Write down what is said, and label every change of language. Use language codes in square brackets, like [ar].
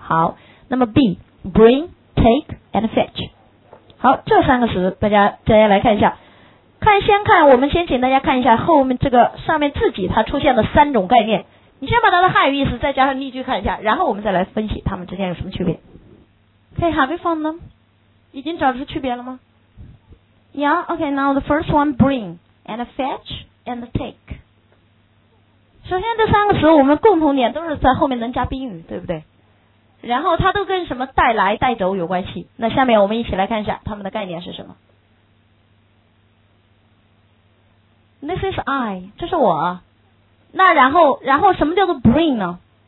[zh] 好，那么 [en] B, bringTake and fetch. [zh] 好，这三个词大家来看一下。我们先请大家看一下后面这个上面自己它出现的三种概念。你先把它的汉语意思再加上例句看一下，然后我们再来分析它们之间有什么区别。 [en] Okay, have you found them? [zh] 已经找出区别了吗？ [en] Yeah, okay, now the first one, bring and fetch and take. [zh] 首先这三个词我们共同点都是在后面能加宾语，对不对？然后它都跟什么带来带走有关系，那下面我们一起来看一下它们的概念是什么。 [en] This is I, [zh] 这是我。那然后什么叫做 bring 呢？